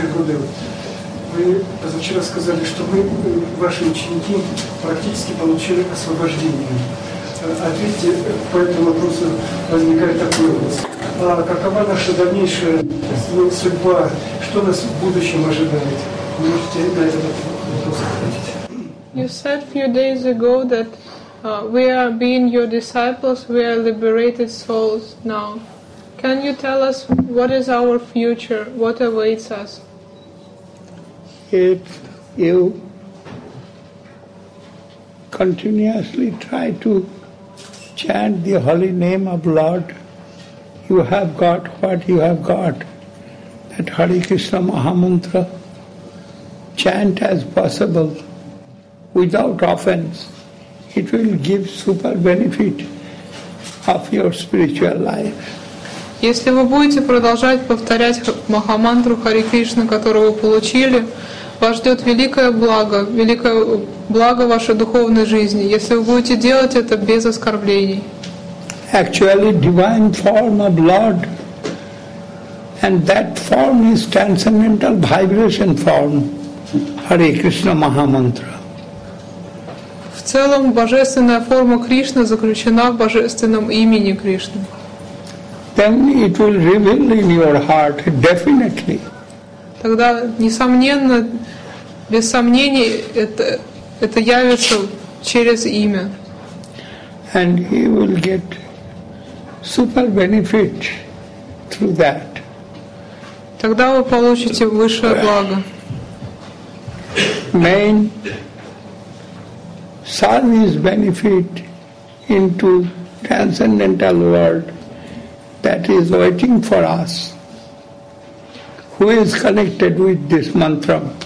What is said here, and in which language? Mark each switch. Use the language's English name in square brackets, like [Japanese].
[Russian] Дорогой Гурудев, вы позавчера сказали, что вы, ваши ученики, практически получили освобождение. Ответьте по этому вопросу, возникает такой вопрос. А какова наша дальнейшая судьба? Что нас в будущем ожидает? Вы можете на этот вопрос ответить. [English] You said a few days ago that we are being your disciples, we are liberated souls now. Can you tell us what is our future, what awaits us? If you continuously try to chant the holy name of Lord, you have got what you have got, that Hare Krishna Mahamantra, chant as possible. without offense, it will give super benefit of your spiritual life. [Russian] Если вы будете продолжать повторять Махамантру Хари Кришны, которую вы получили, вас ждет великое благо вашей духовной жизни, если вы будете делать это без оскорблений. [English] Actually, divine form of Lord, and that form is transcendental vibration form, Hare Krishna Mahamantra. [Russian] В целом, божественная форма Кришны заключена в божественном имени Кришны. [English] Then it will reveal in your heart definitely. [Russian] Тогда несомненно, без сомнений, это явится через имя. [English] And he will get super benefit through that. [Russian] Тогда вы получите высшее благо. [English] Main service benefit into transcendental world. That is waiting for us. Who is connected with this mantra?